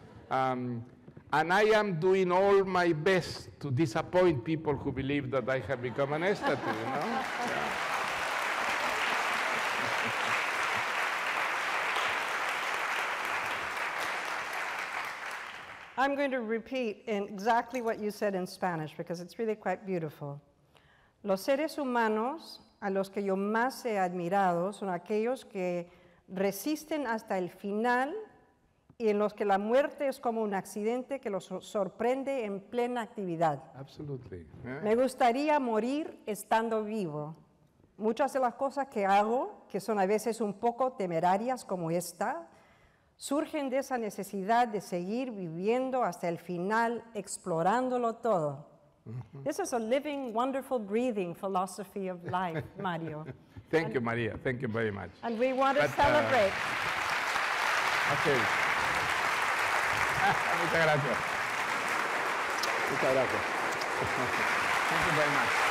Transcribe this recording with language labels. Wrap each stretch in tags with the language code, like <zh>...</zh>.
<en>And I am doing all my best to disappoint people who believe that I have become an statue, you know? Yeah. I'm going to repeat in exactly what you said in Spanish, because it's really quite beautiful.</en> <es>Los seres humanos a los que yo más he admirado son aquellos que resisten hasta el final y en los que la muerte es como un accidente que los sorprende en plena actividad.</es> <en>Absolutely. Yeah.</en> <es>Me gustaría morir estando vivo. Muchas de las cosas que hago, que son a veces un poco temerarias como esta, surgen de esa necesidad de seguir viviendo hasta el final, explorándolo todo. Mm-hmm.</es> <en>This is a living, wonderful, breathing philosophy of life, Mario. Thank you, Maria. Thank you very much. And we want to celebrate. Okay.</en> <es>Muchas gracias. Muchas gracias.</es> <en>Thank you very much.</en>